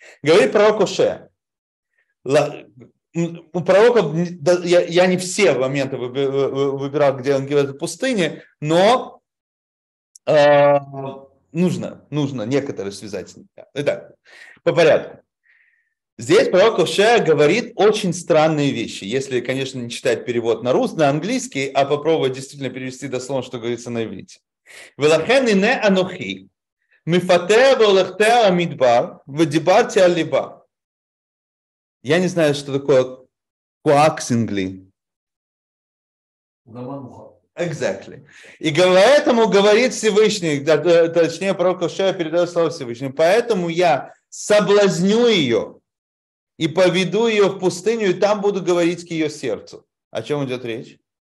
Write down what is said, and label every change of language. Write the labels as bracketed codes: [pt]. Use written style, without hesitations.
[ru] Говорит пророк Оше. У пророков, я не все моменты выбирал, где он говорит о пустыне, но нужно некоторые связать. Итак, по порядку. Здесь пророк Оше говорит очень странные вещи. Если, конечно, не читать перевод на русский, на английский, а попробовать действительно перевести дословно, что говорится на иврите. [he] ולכן הנה אנוכי מפתה והולכתה על המדבר ודיברתי על ליבה. [ru] Я не знаю, что такое коаксингли. [en] Exactly. [ru] И поэтому говорит Всевышний, точнее пророк Оше передает слово Всевышнему, поэтому я соблазню ее и поведу ее в пустыню, и там буду говорить к ее сердцу. О чем идет речь?